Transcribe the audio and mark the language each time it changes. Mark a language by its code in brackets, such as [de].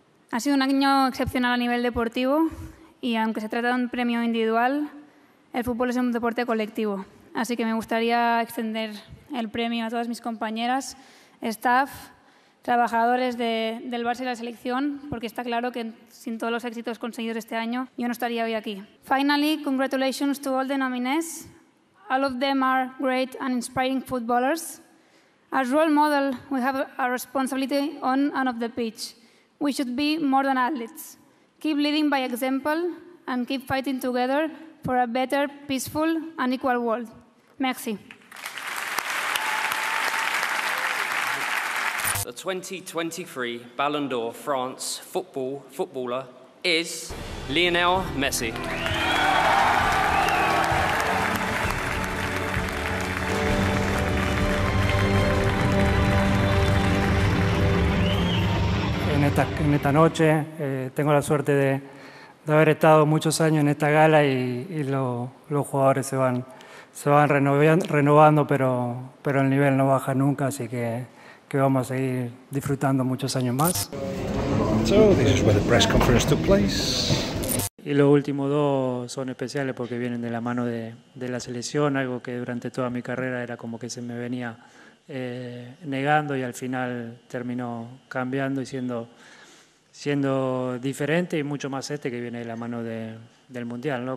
[es] Ha sido un año excepcional a nivel deportivo y aunque se trata de un premio individual, el fútbol es un deporte colectivo. Así que me gustaría extender el premio a todas mis compañeras, staff, trabajadores del Barça y la selección, porque está claro que sin todos los éxitos conseguidos este año, yo no estaría hoy aquí. [en] Finally, congratulations to all the nominees. All of them are great and inspiring footballers. As role model, we have a responsibility on and off the pitch. We should be more than athletes. Keep leading by example and keep fighting together for a better, peaceful and equal world. [fr] Merci. [en] The 2023 Ballon d'Or France footballer is Lionel Messi. [es] En esta noche tengo la suerte de haber estado muchos años en esta gala y los jugadores se van renovando, pero el nivel no baja nunca, así que vamos a seguir disfrutando muchos años más. [en] So this is where the press conference took place. [es] Y los últimos dos son especiales porque vienen de la mano de la selección, algo que durante toda mi carrera era como que se me venía negando y al final terminó cambiando y siendo diferente y mucho más este que viene de la mano del Mundial, ¿no?